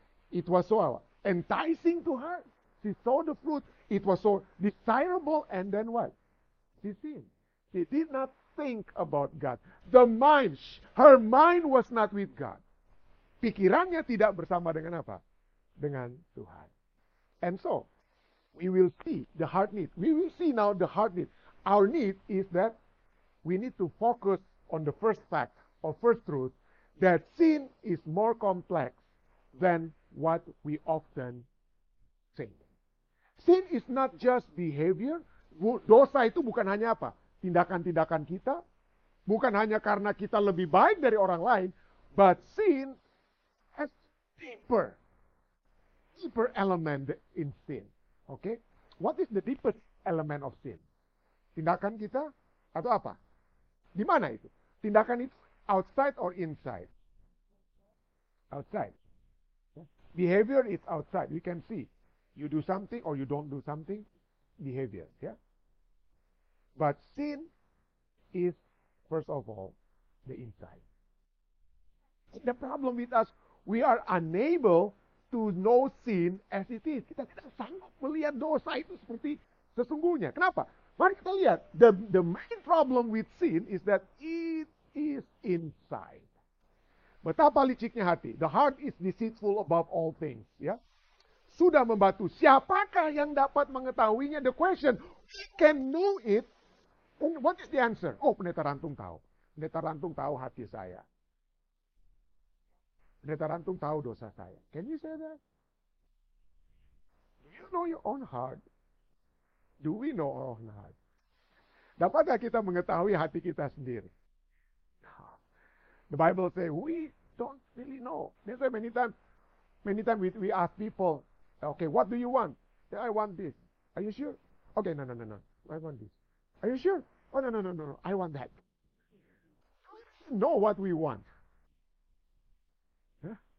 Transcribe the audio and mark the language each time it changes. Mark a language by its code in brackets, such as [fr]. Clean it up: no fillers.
[en] It was so enticing to her. She saw the fruit. It was so desirable. And then what? She sinned. She did not think about God. The mind. Her mind was not with God. [id] Pikirannya tidak bersama dengan apa? Dengan Tuhan. [en] And so, we will see the heart need. We will see now the heart need. Our need is that we need to focus on the first fact or first truth, that sin is more complex than what we often think. Sin is not just behavior. [id] Dosa itu bukan hanya apa? Tindakan-tindakan kita. Bukan hanya karena kita lebih baik dari orang lain. [en] But sin has deeper element in sin. Okay? What is the deepest element of sin? [id] Tindakan kita atau apa? Di mana itu? Tindakan itu [en] outside or inside? Outside. Behavior is outside. You can see. You do something or you don't do something. Behavior. Yeah? But sin is, first of all, the inside. The problem with us, we are unable to know sin as it is. [id] Kita tidak sanggup melihat dosa itu seperti sesungguhnya. Kenapa? Mari kita lihat. [en] The main problem with sin is that it is inside. [id] Betapa liciknya hati. [en] The heart is deceitful above all things. [id] Ya? Sudah membatu. Siapakah yang dapat mengetahuinya? [en] The question, we can know it. And what is the answer? Oh, [id] pendeta Rantung tahu. Pendeta Rantung tahu hati saya. Pendeta Rantung tahu dosa saya. [en] Can you say that? Do you know your own heart? Do we know our own heart? [id] Dapatkah kita mengetahui hati kita sendiri? [en] The Bible say we don't really know. They say many times we ask people, okay, what do you want? Say, I want this. Are you sure? Okay, no. I want this. Are you sure? Oh, no. I want that. We know what we want. Huh?